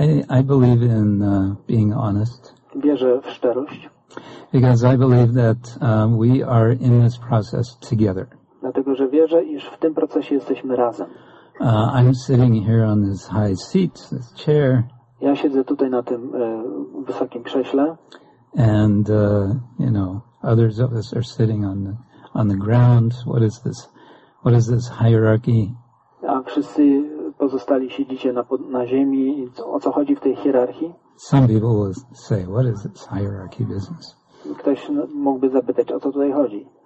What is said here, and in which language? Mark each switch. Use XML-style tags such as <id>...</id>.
<en>I believe in being honest.</en> <pl>Wierzę w szczerość.</pl> <en>Because I believe that we are in this process together.</en> <pl>Dlatego, że wierzę, iż w tym procesie jesteśmy razem.</pl> <en>I'm sitting here on this high seat, this chair.</en> <pl>Ja siedzę tutaj na tym wysokim krześle.</pl> <en>And you know, others of us are sitting on the ground. What is this? What is this hierarchy?</en> <pl>A wszyscy pozostali siedzicie na ziemi. O co chodzi w tej hierarchii?</pl> <en>Some people will say, "What is this hierarchy business?"</en> <pl>Ktoś mógłby zapytać, o co tutaj chodzi?</pl>